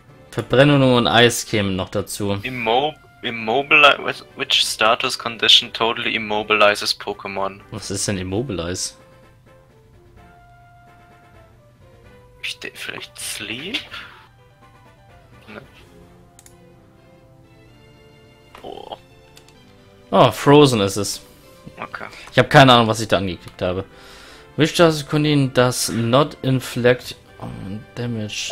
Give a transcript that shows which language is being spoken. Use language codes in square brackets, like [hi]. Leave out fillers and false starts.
[de] Verbrennung und Eis kämen noch dazu. [en] Immobilize, which status condition totally immobilizes Pokémon? [de] Was ist denn immobilize? Ich denke, vielleicht Sleep? Ne? Oh. Oh, Frozen ist es. Okay. Ich habe keine Ahnung, was ich da angeklickt habe. [en] Which status condition does not inflict damage?